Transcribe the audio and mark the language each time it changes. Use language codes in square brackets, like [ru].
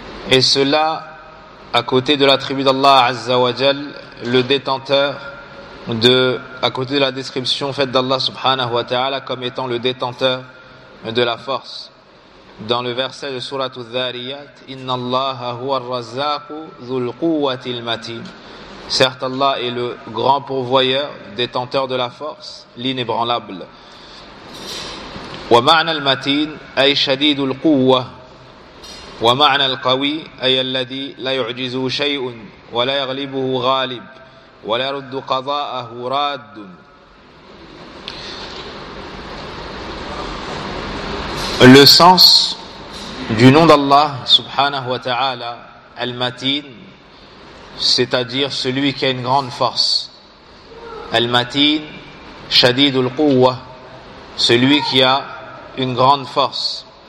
[fr] Et cela, à côté de l'attribut d'Allah Azza wa Jal, le détenteur de, à côté de la description faite d'Allah subhanahu wa ta'ala comme étant le détenteur de la force. Dans le verset de Surat al-Dhariyat, [ar] Inna Allaha huwa al-Razzaqu dhul quwwati al-matin. [fr] Certes, Allah est le grand pourvoyeur, détenteur de la force, l'inébranlable. [ar] Wa ma'na al-matin ay shadid al-quwwa. ومعنى القوي أي الذي لا يعجزه شيء ولا يغلبه غالب ولا يرد قضاءه راد. [fr] Le sens du nom d'Allah subhanahu wa ta'ala, Al-Matin, c'est-à-dire celui qui a une grande force. Al-Matin, [ar] Shadid al-Quwa, [fr] celui qui a une grande force.